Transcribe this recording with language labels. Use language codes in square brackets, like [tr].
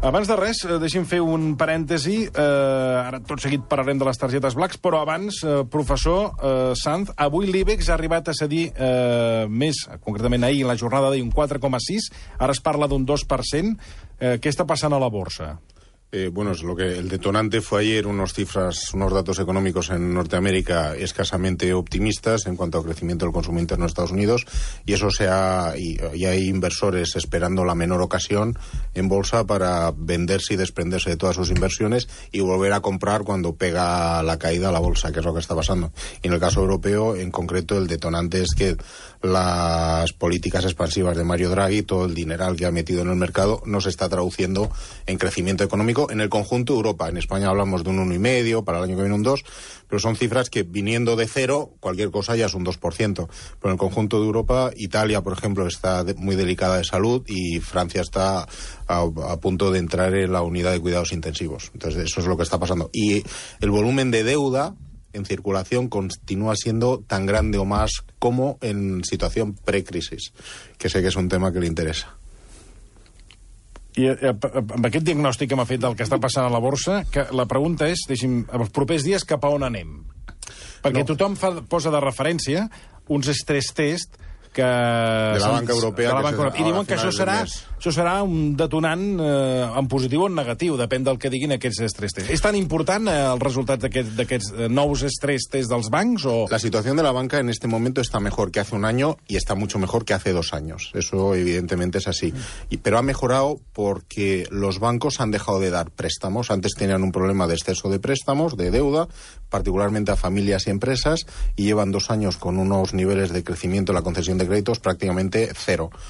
[ca] Abans de res, deixi'm fer un parèntesi. Ara tot seguit parlarem de les targetes blacks, però abans, professor Sanz, avui l'IBEX ha arribat a cedir més, concretament ahir, en la jornada d'un 4,6, ara es parla d'un 2%. Què està passant a la borsa? [es] Bueno, es lo que el detonante fue ayer unos datos económicos en Norteamérica escasamente optimistas en cuanto al crecimiento del consumo interno en Estados Unidos, y eso y hay inversores esperando la menor ocasión en bolsa para venderse y desprenderse de todas sus inversiones y volver a comprar cuando pega la caída a la bolsa, que es lo que está pasando. Y en el caso europeo, en concreto, el detonante es que las políticas expansivas de Mario Draghi, todo el dineral que ha metido en el mercado, no se está traduciendo en crecimiento económico en el conjunto de Europa. En España hablamos de un 1,5, para el año que viene un 2, pero son cifras que, viniendo de cero, cualquier cosa ya es un 2%. Pero en el conjunto de Europa, Italia, por ejemplo, está muy delicada de salud y Francia está a punto de entrar en la unidad de cuidados intensivos. Entonces, eso es lo que está pasando. Y el volumen de deuda en circulación continúa siendo tan grande o más como en situación precrisis, que sé que es un tema que le interesa. [ca] I amb aquest diagnòstic que m'ha fet del que està passant a la borsa, que la pregunta és, deixi'm, els propers dies cap a on anem? Perquè no. Tothom posa de referència uns stress test que de la banca europea. I diuen que això serà un detonant en positiu o en negatiu, depèn del que diguin aquests stress test. És tan important el resultat d'aquests nous stress test dels bancs? O la situació de la banca [es] en este [ca] moment està millor que hace un any i està [es] mucho mejor que hace [ca] dos anys. [es] Eso evidentemente es así. Pero ha mejorado porque los bancos han dejado de dar préstamos. Antes tenían un problema de exceso de préstamos, de deuda, particularmente a familias y empresas, y llevan dos años con unos niveles de crecimiento de la concesión de créditos prácticamente cero.